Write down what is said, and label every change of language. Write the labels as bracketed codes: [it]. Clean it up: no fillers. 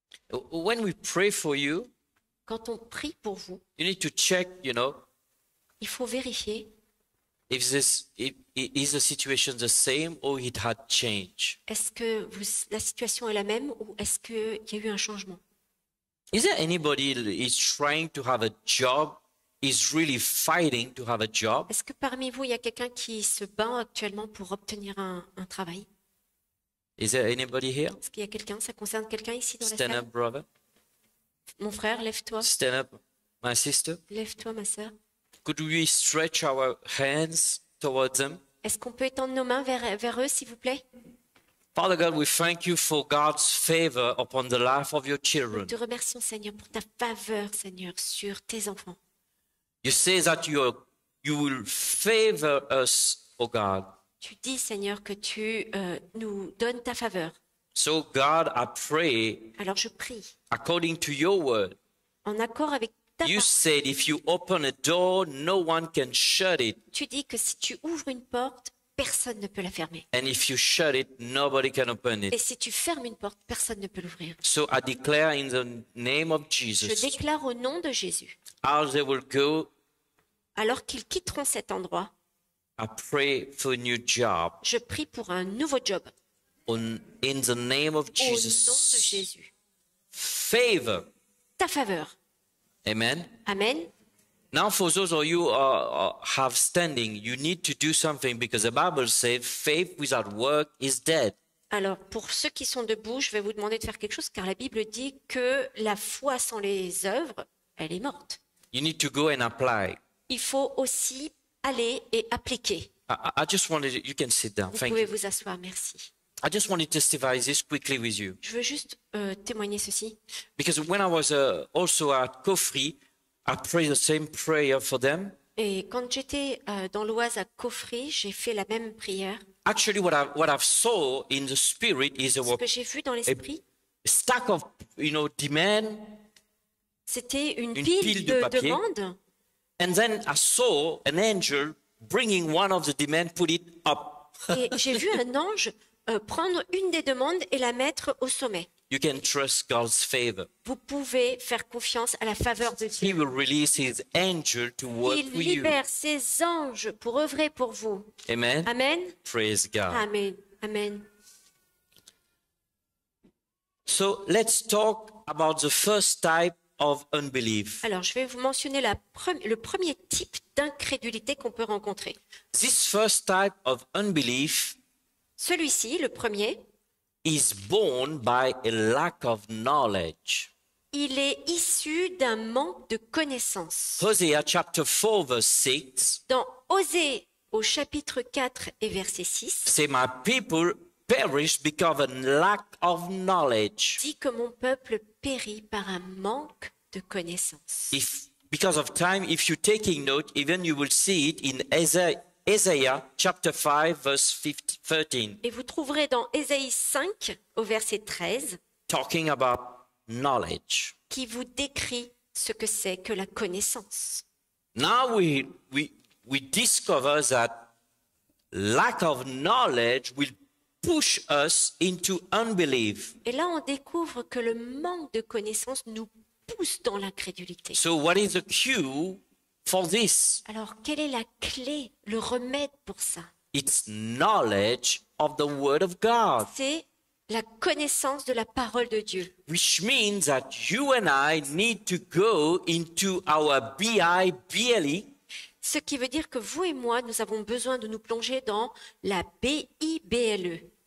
[en] When we pray for you, [fr] quand on prie pour vous, [en] you need to check, you know, [fr] il faut vérifier [en] if this is the situation the same or it had changed. [fr] Est-ce que la situation est la même ou est-ce qu'il y a eu un changement? [en] Is there anybody is trying to have a job, is really fighting to have a job? [fr] Est-ce que parmi vous il y a quelqu'un qui se bat actuellement pour obtenir un travail? [en] Is there anybody here? [fr] Est-ce qu'il y a quelqu'un? Ça concerne quelqu'un ici dans [en] Stand [fr] la [en] salle? Stand up, brother. [fr] Mon frère, lève-toi. [en] Stand up, my sister. [fr] Lève-toi, ma sœur. [en] Could we stretch our hands towards them? [fr] Est-ce qu'on peut étendre nos mains vers eux, s'il vous plaît? [en] Father God, we thank you for God's favor upon the life of your children. [fr] Nous te remercions, Seigneur, pour ta faveur, Seigneur, sur tes enfants. [en] You say that you will favor us, O God. [fr] Tu dis, Seigneur, que tu nous donnes ta faveur. [en] So God, I pray. [fr] Alors je prie. [en] According to your word. [fr] En accord avec ta [en] you You said if you open a door, no one can shut it. [fr] Tu dis que si tu ouvres une porte, personne ne peut la fermer. [en] And if you shut it, nobody can open it. [fr] Et si tu fermes une porte, personne ne peut l'ouvrir. [en] So I declare in the name of Jesus. [fr] Je déclare au nom de Jésus. [en] As they will go. [fr] Alors qu'ils quitteront cet endroit. [en] I pray for a new job. [fr] Je prie pour un nouveau job. [en] In the name of Jesus. [fr] Au nom de Jésus. [en] Favor. [fr] Ta faveur. [en] Amen. [fr] Amen. [en] Now for those of you who have standing, you need to do something because the Bible says faith without work is dead. [fr] Alors pour ceux qui sont debout, je vais vous demander de faire quelque chose car la Bible dit que la foi sans les œuvres, elle est morte. [en] You need to go and apply. [fr] Il faut aussi aller et appliquer. [en] I just wanted you can sit down. [fr] Vous [en] Thank [fr] pouvez [en] you. [fr] Vous asseoir, merci. [en] I just wanted to testify this quickly with you. [fr] Je veux juste témoigner ceci. [en] Because when I was also at Caufry, I prayed the same prayer for them. [fr] Et quand j'étais dans l'Oise à Caufry, j'ai fait la même prière. [en] Actually, what I saw in the spirit is [fr] ce que j'ai vu dans l'esprit. [en] A stack of, you know, demand. [fr] C'était une pile de demandes. [en] And then I saw an angel bringing one of the demands, put it up. [fr] Et j'ai vu un ange prendre une des demandes et la mettre au sommet. [en] You can trust God's favor. [fr] Vous pouvez faire confiance à la faveur de Dieu. [en] He will release his angel to work [fr] Il libère ses anges pour œuvrer pour vous. [en] Amen. [fr] Amen. [en] Praise God. [fr] Amen. Amen. [en] So let's talk about the first type. Of unbelief. [fr] Alors, je vais vous mentionner le premier type d'incrédulité qu'on peut rencontrer. [en] This first type of unbelief. [fr] Celui-ci, le premier. [en] Is born by a lack of knowledge. [fr] Il est issu d'un manque de connaissance. [en] Hosea chapter 4 verse 6. [fr] Dans Hosea au chapitre 4 et verset 6. [en] C'est my people. Perish because of a lack of knowledge. [fr] Dit que mon peuple périt par un manque de connaissance. [en] If because of time, if you're taking note, even you will see it in Isaiah chapter 5 verse 13. [fr] Et vous trouverez dans Ésaïe 5 au verset 13. [en] Talking about knowledge. [fr] Qui vous décrit ce que c'est que la connaissance. [en] Now we discover that lack of knowledge will push us into unbelief. [fr] Et là, on découvre que le manque de connaissance nous pousse dans l'incrédulité. [en] So what is the cue for this? [fr] Alors, quelle est la clé, le remède pour ça? [en] It's knowledge of the word of God. [fr] C'est la connaissance de la parole de Dieu. [en] Which means that you and I need to go into our Bible. [fr] Ce qui veut dire que vous et moi, nous avons besoin de nous plonger dans la Bible.